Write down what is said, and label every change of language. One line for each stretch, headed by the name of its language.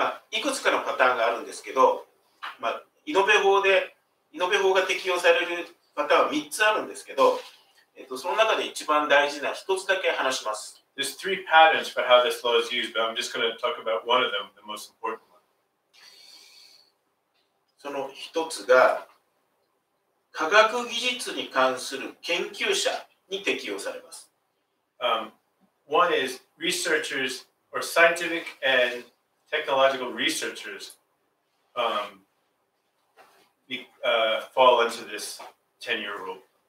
Japanese: いくつかのパターンがあるんですけど、イノベ法が適用されるパターンは3つあるんですけど、その中で一番大事な1つだけ話します。
English: There's three patterns for how this law is used, but I'm just going to talk about one of them, the most important one.
Japanese: その1つが、科学技術に関する研究者に適用されます。
English: One is researchers or scientific and technological researchers fall into this 10-year rule.